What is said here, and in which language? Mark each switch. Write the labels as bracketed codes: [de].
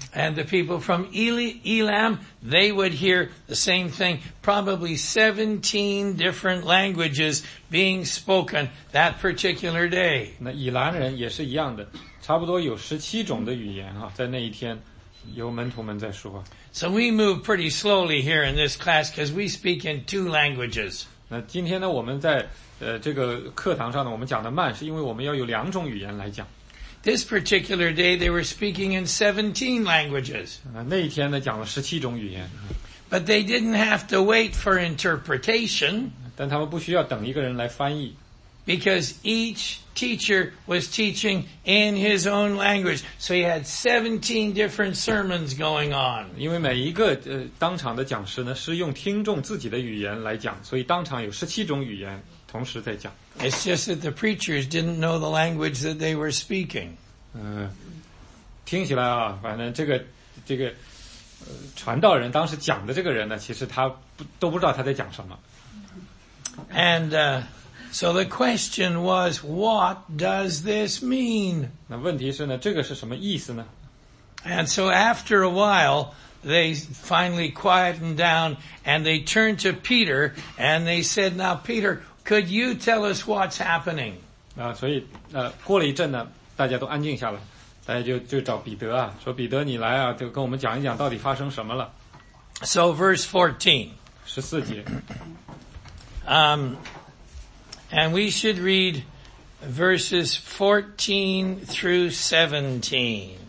[en] And the people from Elam, they would hear the same thing, probably 17 different languages being spoken that particular day. [zh] 那以兰人也是一样的，差不多有17种的语言哈，在那一天由门徒们在说。 [en] So we move pretty slowly here in this class because we speak in two languages. [zh] 那今天呢，我们在这个课堂上呢，我们讲的慢，是因为我们要有两种语言来讲。 [en] This particular day, they were speaking in 17 languages. [zh] 那一天呢，讲了17种语言。 [en] But they didn't have to wait for interpretation. [zh] 但他们不需要等一个人来翻译。 [en] Because each teacher was teaching in his own language. So he had 17 different sermons going on. [zh] 因为每一个当场的讲师呢，是用听众自己的语言来讲，所以当场有17种语言。 [en] It's just that the preachers didn't know the language that they were speaking. [zh] 听起来啊，反正这个传道人当时讲的这个人呢，其实他都不知道他在讲什么。 [en] And so the question was, what does this mean? [zh] 那问题是呢，这个是什么意思呢？ [en] And so after a while, they finally quietened down and they turned to Peter and they said, "Now, Peter." Could you tell us what's happening? [zh] 所以过了一阵呢，大家都安静下来，大家就找彼得啊，说彼得你来啊，就跟我们讲一讲到底发生什么了。 [en] So verse 14. [zh] 14节。 [en] And we should read verses 14 through 17.